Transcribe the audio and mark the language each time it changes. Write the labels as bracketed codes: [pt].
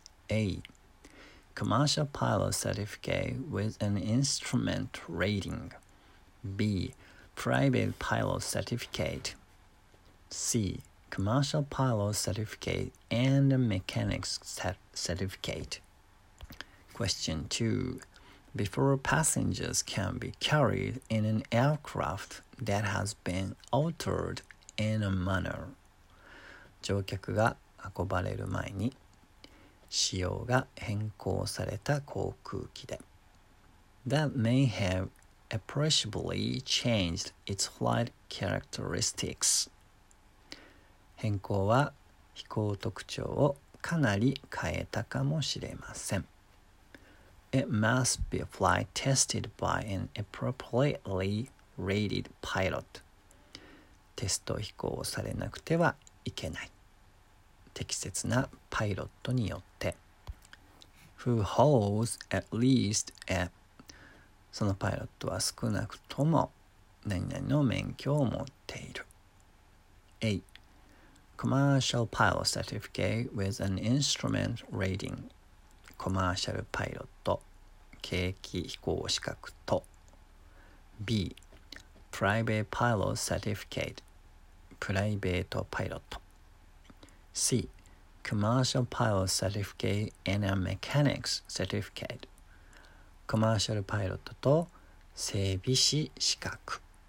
[en] a commercial pilot certificate with an instrument rating, b private pilot certificate, c commercial pilot certificate and mechanics certificate. Question 2. Before passengers can be carried in an aircraft that has been altered in a manner. [ja] 乗客が運ばれる前に仕様が変更された航空機で。 [en] That may have appreciably changed its flight characteristics. [ja] 変更は飛行特徴をかなり変えたかもしれません。 [en] It must be flight tested by an appropriately rated pilot. [ja] テスト飛行をされなくてはいけない。適切なパイロットによって。 [en] Who holds at least a... [ja] そのパイロットは少なくとも何々の免許を持っている。 [en] A. Commercial pilot certificate with an instrument rating. [ja] コマーシャルパイロット。景気飛行資格と B. [en] Private Pilot Certificate [ja] プライベートパイロット [en] C. Commercial Pilot Certificate and a Mechanics Certificate [ja] コマーシャルパイロットと整備士資格。